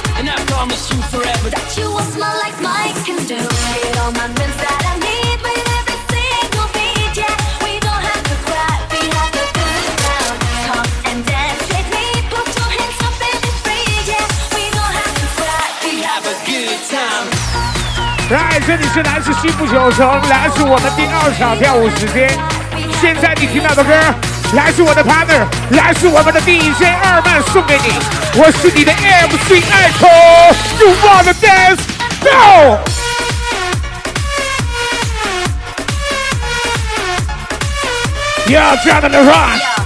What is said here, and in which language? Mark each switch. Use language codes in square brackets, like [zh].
[en] And I promise you forever that you will smile like Mike can do. Get all my friends that I need with every single beat, yeah. We don't have to cry, we have a good time. Come and dance with me, put your hands up and be free, yeah. We don't have to cry, we have a good time. [zh] 来，这里是来自西部九城，来自我们第二场跳舞时间。现在你听到的歌，来自我的 partner， 来自我们的 DJ 二曼送给你。我是你的 MC 艾特 ， [en] You wanna dance go？ Yeah， jump on the run。